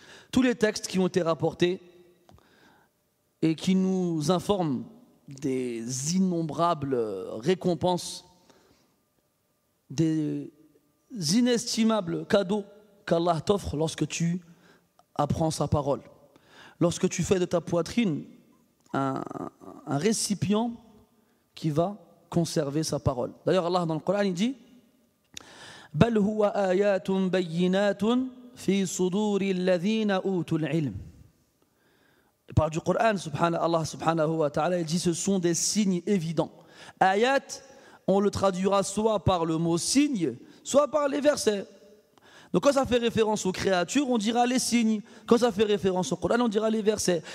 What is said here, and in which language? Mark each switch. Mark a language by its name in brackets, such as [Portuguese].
[French] Tous les textes qui ont été rapportés et qui nous informent des innombrables récompenses, des inestimables cadeaux qu'Allah t'offre lorsque tu apprends sa parole. Lorsque tu fais de ta poitrine un récipient qui va conserver sa parole. D'ailleurs, Allah dans le Coran, il dit: [Arabic] بل هو آيات بينات في صدور الذين أوتوا العلم. [French] Il parle du Coran, Allah subhanahu wa ta'ala, il dit ce sont des signes évidents. Ayat, on le traduira soit par le mot signe, soit par les versets. Donc quand ça fait référence aux créatures, on dira les signes. Quand ça fait référence au Coran, on dira les versets.